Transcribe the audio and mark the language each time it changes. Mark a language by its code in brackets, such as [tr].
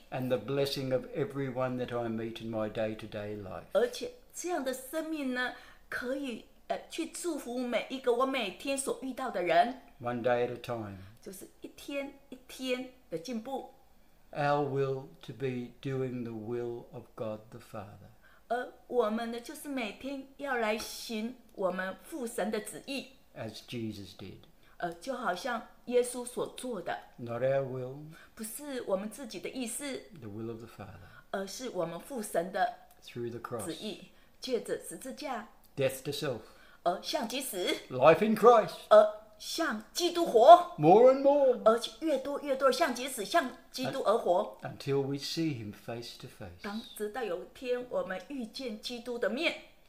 [en] And the blessing of everyone that I meet in my day-to-day life. [zh] 而且这样的生命呢，可以去祝福每一个我每天所遇到的人。 [en] One day at a time. [zh] 就是一天一天的进步。 [en] Our will to be doing the will of God the Father. [zh] 而我们呢，就是每天要来行我们父神的旨意。 [en] As Jesus did. [zh] 就好像耶稣所做的。 [en] Not our will. [zh] 不是我们自己的意思。 [en] The will of the Father. [zh] 而是我们父神的旨 [en] 意。Through the cross. [zh] 借着十字架。 [en] Death to self. [zh] 而向基死。 [en] Life in Christ. [zh] 而向基督活。 [en] More and more. [zh] 而且越多越多向基死，向基督而活。 [en] Until we see him face to face. [zh] 当直到有一天我们遇见基督的面。